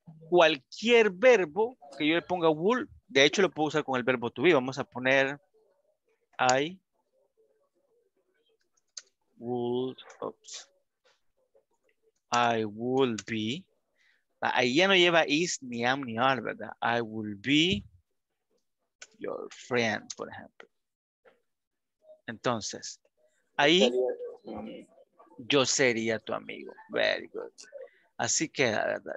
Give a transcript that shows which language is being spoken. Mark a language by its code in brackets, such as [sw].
[es] Cualquier verbo que yo le ponga will, de hecho lo puedo usar con el verbo to be. Vamos a poner [en] I would, I would be. [es] Ahí ya no lleva is, ni am, ni are, ¿verdad? [en] I will be your friend, [es] por ejemplo. Entonces, ahí yo sería tu amigo. [en] Very good. [es] Así que, ¿verdad?